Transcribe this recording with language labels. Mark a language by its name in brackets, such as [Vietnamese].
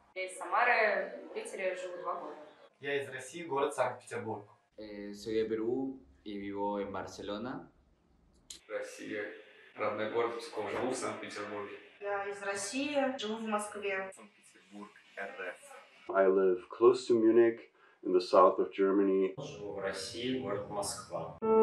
[Russian] Я из Самары, в Питере живу 2 года. Я из России, город Санкт-Петербург. [Spanish] Soy de Perú y vivo en Barcelona. [Russian] Россия, родной город Псков, живу в Санкт-Петербурге. Я из России, живу в Москве. Санкт-Петербург, РФ. [English] I live close to Munich in the south of Germany. [Russian] Живу в России, город Москва.